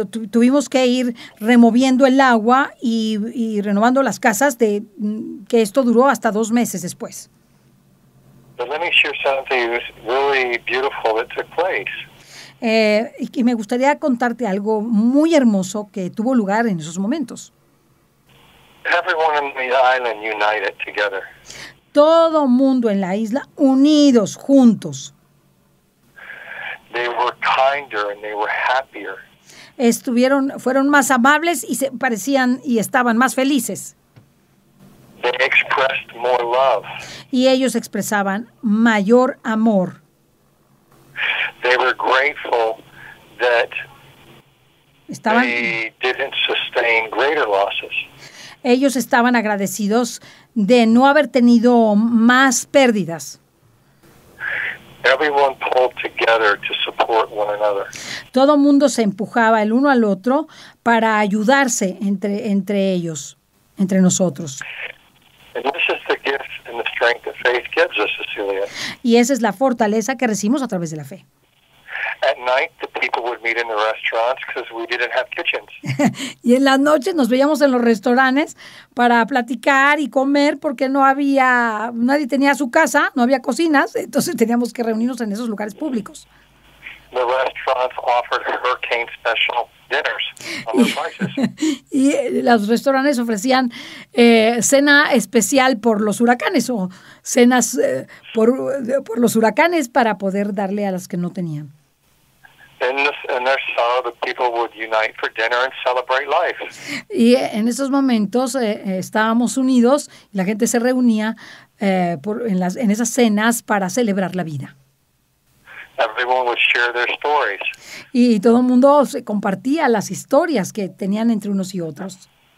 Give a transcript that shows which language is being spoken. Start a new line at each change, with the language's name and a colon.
Spanish: Tuvimos que ir removiendo el agua y renovando las casas, de que esto duró hasta 2 meses después.
English: But let me share something really beautiful that took place.
Spanish: Y me gustaría contarte algo muy hermoso que tuvo lugar en esos momentos.
English: Everyone in the island united together.
Spanish: Todo mundo en la isla unidos, juntos.
English: They were kinder and they were happier.
Spanish: Fueron más amables y se parecían y estaban más felices.
English: They expressed more love.
Spanish: Y ellos expresaban mayor amor.
English: They were grateful that
Spanish: estaban,
English: they didn't sustain greater losses.
Spanish: Ellos estaban agradecidos de no haber tenido más pérdidas.
English: Everyone pulled together to support one another.
Spanish: Todo mundo se empujaba el uno al otro para ayudarse entre ellos, entre nosotros.
English: And this is the gift and the strength that faith gives us, Cecilia.
Spanish: Y esa es la fortaleza que recibimos a través de la fe.
English: At night, the people would meet in the restaurants because we didn't have kitchens.
Spanish: Y en la noche nos veíamos en los restaurantes para platicar y comer porque no había, nadie tenía su casa, no había cocinas, entonces teníamos que reunirnos en esos lugares públicos.
English: The restaurants offered hurricane special dinners on
Spanish: Y los restaurantes ofrecían cena especial por los huracanes o cenas por los huracanes para poder darle a las que no tenían.
English: In their sorrow, the people would unite for dinner and celebrate life.
Spanish: Y en esos momentos estábamos unidos y la gente se reunía en esas cenas para celebrar la vida.
English: Everyone would share their stories.
Spanish: Y todo el mundo compartía las historias que tenían entre unos y otros.